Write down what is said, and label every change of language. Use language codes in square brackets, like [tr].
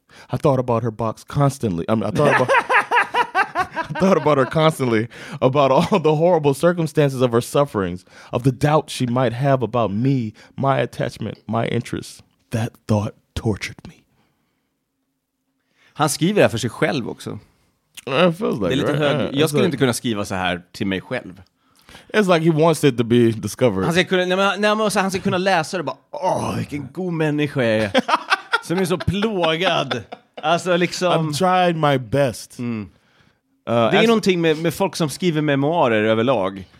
[en] I thought about her box constantly. I thought about her constantly, about all the horrible circumstances of her sufferings, of the doubt she might have about me, my attachment, my interests. That thought tortured me. [sv] Han skriver det här för sig själv också. [en] It feels like, [sv] det är lite [en] right? [sv] Hög. Jag skulle inte kunna skriva så här till mig själv. [en] It's like he wants it to be discovered. [sv] Han ska kunna läsa det bara, åh, vilken god människa jag är. Som är så plågad. Alltså liksom... [en] I'm trying my best. Mm. [sv] Det är någonting med folk som skriver memoarer överlag.